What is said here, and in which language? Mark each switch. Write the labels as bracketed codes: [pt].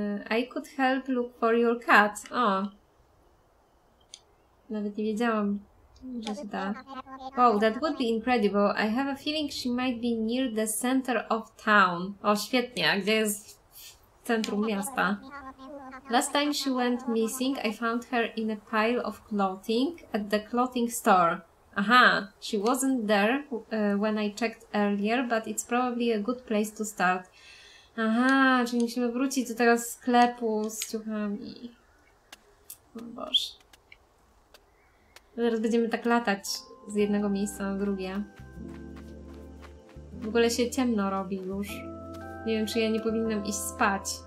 [en] I could help look for your cat. O! [pl] Nawet nie wiedziałam, że się da. [en] Wow, that would be incredible. I have a feeling she might be near the center of town. [pl] O, świetnie, a gdzie jest centrum miasta? [en] Last time she went missing, I found her in a pile of clothing at the clothing store. Aha, she wasn't there when I checked earlier, but it's probably a good place to start. [pl] Aha, czyli musimy wrócić do tego sklepu z ciuchami. O Boże. Zaraz będziemy tak latać z jednego miejsca na drugie. W ogóle się ciemno robi już. Nie wiem, czy ja nie powinnam iść spać.